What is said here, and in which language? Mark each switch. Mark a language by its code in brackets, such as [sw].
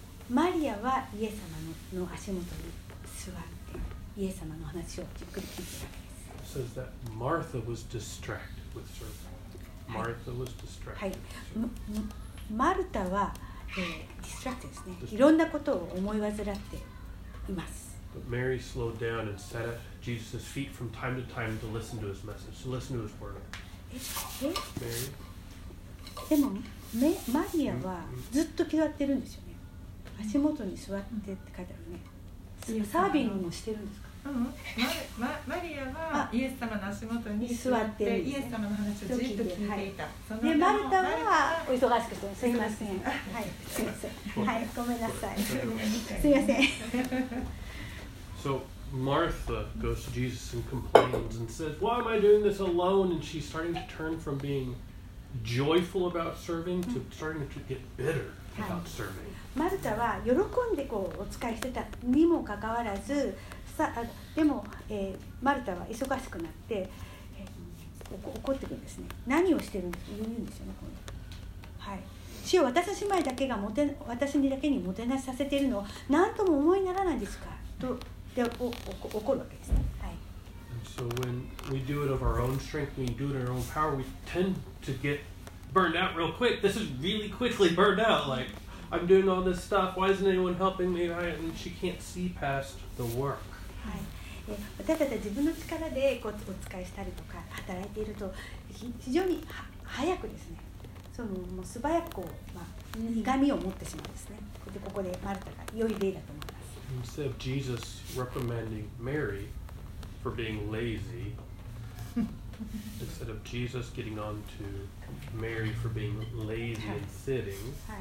[ja] Maria はイエス様の足元に座って、イエス様の話をじっくり聞いているわけです。 [en] Says that Martha was distracted with serving. Martha was distracted. [ja] はい。マルタは、distracted ですね。いろんなことを思い煩っています。 [en] But Mary slowed down and sat at Jesus' feet from time to time to listen to his message, to listen to his word. Mary. [ja] でも、マリアはずっと座ってるんですよね。足元に座ってって書いてあるね。サービングもしてるんですか？マリアはイエス様の足元に座って、イエス様の話をじっと聞いていた。で、マルタはお忙しくて、すいません。はい、すいません。はい、ごめんなさい。すいません。 [en] So Martha goes to Jesus and complains and says, "Why am I doing this alone?" And she's starting to turn from being joyful about serving to starting to get bitter about serving. [ja] マルタは喜んでこうお使いしてたにもかかわらず、さ、でも、マルタは忙しくなって、怒ってくるんですね。何をしてるんですか？言うんですよね、今度。はい。主よ、私姉妹だけがもて、私にだけにもてなしさせているのを何とも思いならないですか？と。 [en] And so when we do it of our own strength, we do it in our own power, we tend to get burned out real quick. This is really quickly burned out. Like, I'm doing all this stuff. Why isn't anyone helping me? And she can't see past the work. [ja] はい。私たち自分の力でこうお使いしたりとか働いていると非常に早くですね。そのもう素早くこう、まあ、苦みを持ってしまうんですね。でここでマルタが良い例だと思う。 [en] Instead of Jesus reprimanding Mary for being lazy, instead of Jesus getting on to Mary for being lazy and sitting,